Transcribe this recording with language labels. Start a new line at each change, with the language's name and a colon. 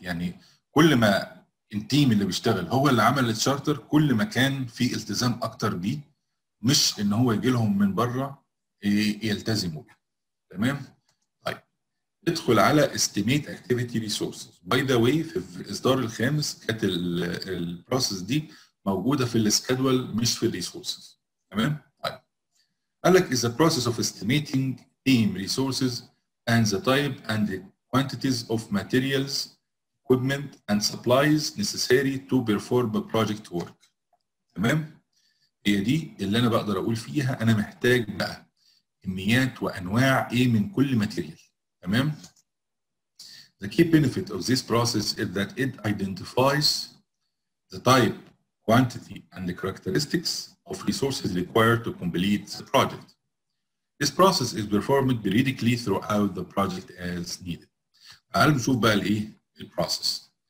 Arabic: يعني كل ما التيم اللي بيشتغل هو اللي عمل التشارتر، كل ما كان في التزام اكتر بيه، مش ان هو يجي لهم من بره يلتزموا. تمام، ندخل على
English: estimate activity resources. by the way
Arabic: في الاصدار الخامس كانت البروسيس دي موجوده في السكادول مش في الريسورسز. تمام، طيب قال لك
English: is the process of estimating team resources and the type and the quantities of materials, equipment and supplies necessary to perform a project work.
Arabic: تمام، هي دي اللي انا بقدر اقول فيها انا محتاج بقى كميات وانواع ايه من كل ماتيريال. تمام،
English: the key benefit of this process is that it identifies the type, quantity and the characteristics of resources required to complete the project. This process is performed periodically throughout the project as needed.
Arabic: تعال نشوف بقى الايه البروسيس.